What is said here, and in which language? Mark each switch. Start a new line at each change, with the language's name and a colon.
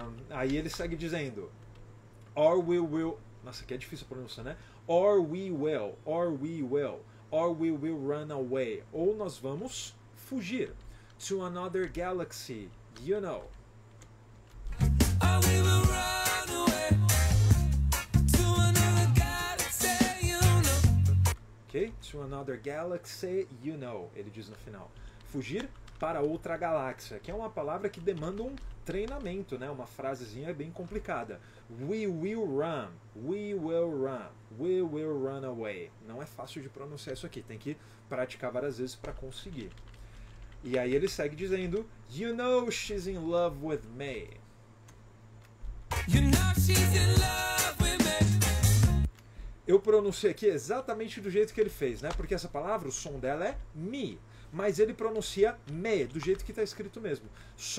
Portuguese: Aí ele segue dizendo,
English: or we will,
Portuguese: nossa, que é difícil a pronúncia, né?
English: Or we will, or we will, or we will run away.
Portuguese: Ou nós vamos fugir.
English: To another galaxy, you know. Or we will run away. To another galaxy, you know. Ok? To another galaxy, you know,
Portuguese: ele diz no final. Fugir para outra galáxia, que é uma palavra que demanda um treinamento, né? Uma frasezinha bem complicada.
English: We will run, we will run, we will run away.
Portuguese: Não é fácil de pronunciar isso aqui, tem que praticar várias vezes para conseguir. E aí ele segue dizendo,
English: you know she's in love with me. You know she's in love with me.
Portuguese: Eu pronunciei aqui exatamente do jeito que ele fez, né? Porque essa palavra, o som dela é me, mas ele pronuncia me, do jeito que está escrito mesmo. Só